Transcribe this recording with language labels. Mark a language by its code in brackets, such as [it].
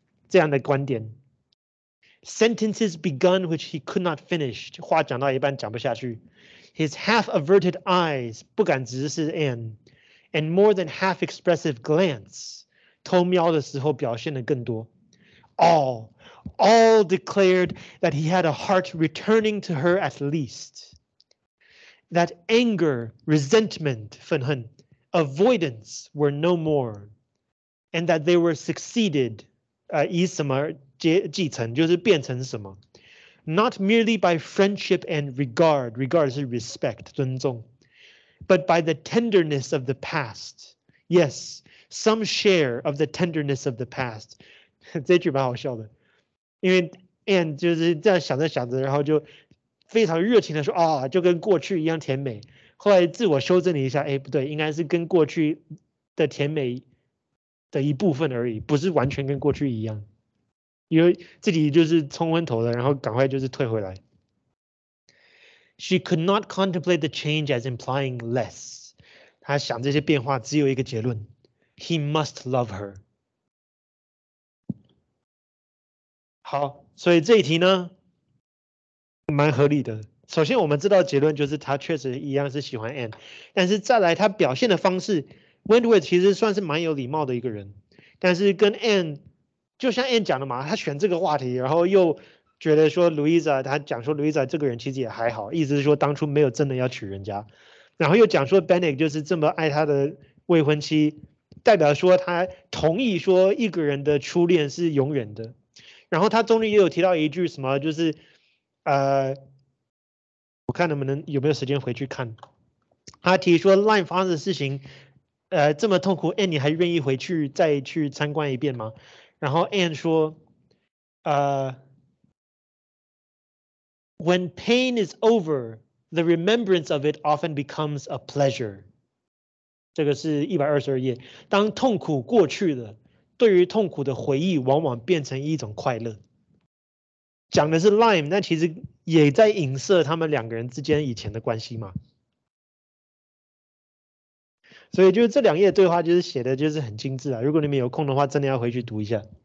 [zh] 这样的观点， [en] sentences begun which he could not finish， [zh] 话讲到一半讲不下去， [en] his half averted eyes [zh] 不敢直视 [en] Anne，and more than half expressive glance [zh] 偷瞄的时候表现得更多， [en] all declared that he had a heart returning to her at least，that anger resentment 愤恨 avoidance were no more，and that they were succeeded。 [zh] 以什么继承，就是变成什么？ [en] Not merely by friendship and regard 是 respect 尊重，but by the tenderness of the past. Yes, some share of the tenderness of the past. [zh] 这句蛮好笑的，因为 Anne 就是这样想着想着，然后就非常热情的说啊，就跟过去一样甜美。后来自我修正了一下，哎，不对，应该是跟过去的甜美。的一部分而已，不是完全跟过去一样，因为自己就是冲昏头了，然后赶快就是退回来。 [en] She could not contemplate the change as implying less。 [zh] 她想这些变化只有一个结论： [en] He must love her。 [zh] 好，所以这一题呢，蛮合理的。首先，我们知道结论就是他确实一样是喜欢 Anne，但是再来他表现的方式。 Wentworth 其实算是蛮有礼貌的一个人，但是跟 Anne 就像 Anne 讲的嘛，他选这个话题，然后又觉得说 Louisa，他讲说 Louisa 这个人其实也还好，意思是说当初没有真的要娶人家，然后又讲说 Benedict 就是这么爱他的未婚妻，代表说他同意说一个人的初恋是永远的，然后他中间也有提到一句什么，就是我看能不能有没有时间回去看，他提说 Line 发生的事情。这么痛苦，Anne，你还愿意回去再去参观一遍吗？然后 Anne 说， [en] When pain is over, the remembrance of it often becomes a pleasure。 [zh] 这个是122页。当痛苦过去了，对于痛苦的回忆往往变成一种快乐。讲的是 Lyme，那其实也在影射他们两个人之间以前的关系嘛。所以就是这两页对话，就是写的就是很精致啊。如果你们有空的话，真的要回去读一下。